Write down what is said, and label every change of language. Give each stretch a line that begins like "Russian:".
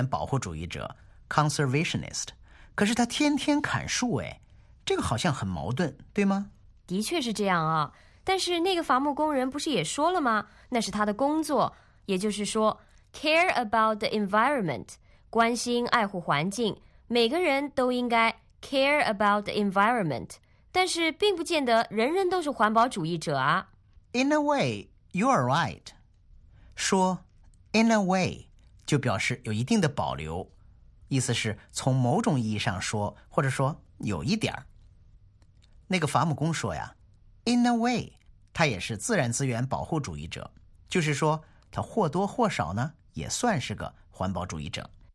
Chinese: 能向您提一个问题吗？当然可以啊。那个伐木工说呀，他自己也算是个自然资源保护主义者，conservationist。可是他天天砍树，这个好像很矛盾，对吗？的确是这样啊。但是那个伐木工人不是也说了吗？那是他的工作，也就是说，care
English: about the environment，
Chinese: 关心爱护环境，每个人都应该
English: care about the environment。
Chinese: 但是并不见得人人都是环保主义者啊。In
English: a way, you are right.
Chinese: 说
English: in a way
Chinese: 就表示有一定的保留，意思是从某种意义上说，或者说有一点。那个伐木工说呀， in a way 他也是自然资源保护主义者，就是说他或多或少呢也算是个环保主义者。